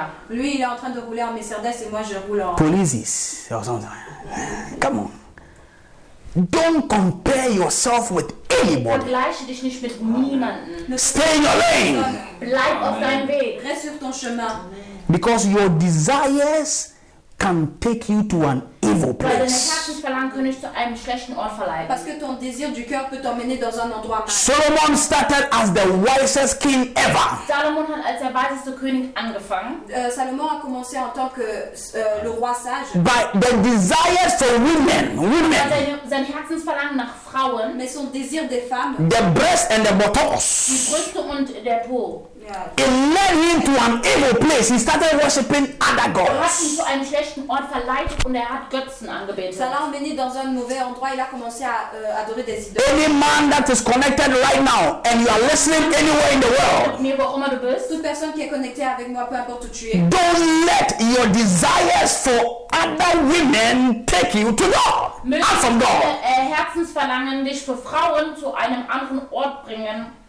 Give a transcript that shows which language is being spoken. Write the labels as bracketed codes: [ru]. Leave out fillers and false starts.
[fr] Lui, il est en train de rouler en Mercedes et moi, je roule en... [en] Polizis. Come on. Don't compare yourself with anybody. [de] Vergleiche dich nicht mit niemandem. [en] Stay in your lane. [de] Bleib auf deinem Weg. [fr] Reste sur ton chemin. [en] Because your desires can take you to an evil place. [fr] Parce que ton désir du cœur peut t'emmener dans un endroit mal. [en] Solomon started as the wisest king ever. [de] Salomon hat als der weiseste König angefangen. [fr] Salomon a commencé en tant que le roi sage. [en] By the desire for women. [de] Sein Herzensverlangen nach Frauen. [fr] Mais son désir des femmes. [en] The breasts and the buttocks. [de] Die Brüste und der Po. [en] Yeah. It led him to an evil place. He started worshiping other gods. [de] Er hat ihn zu einem schlechten Ort verleitet und er hat Götzen angebetet. [fr] Ça l'a emmené dans un mauvais endroit. Il a commencé à adorer des idoles. [en] Any man that is connected right now and you are listening anywhere in the world. [fr] Toute personne qui est connectée avec moi, peu importe où tu es. [en] Don't let your desires for other women take you to God. Not from God. [de] Herzensverlangen dich für Frauen zu einem anderen Ort bringen.